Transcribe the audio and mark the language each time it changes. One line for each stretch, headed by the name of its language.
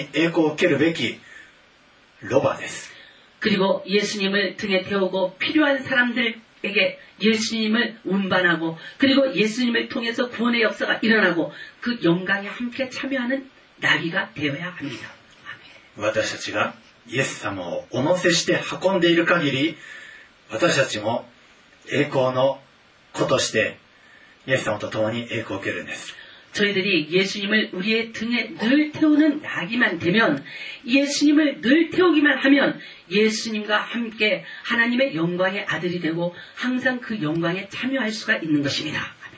Japanese: 예수も人々のところに運んで、そして皆さんもイエス様と共に栄光を受けるべきロバです。
Korean: 그리고 예수님을 등에 태우고 필요한 사람들에게 예수님을 운반하고 그리고 예수님을 통해서 구원의 역사가 일어나고 그 영광에 함께 참여하는 낙이가 되어야 합니다.
Japanese: 우리たちが 예수様をお乗せして運んでいる限り、私たちも栄光の子として、イエス様と共に栄光を受けるんです。
Korean: 저희들이 예수님을 우리의 등에 늘 태우는 나귀만 되면, 예수님을 늘 태우기만 하면, 예수님과 함께 하나님의 영광의 아들이 되고, 항상 그 영광에 참여할 수가 있는 것입니다.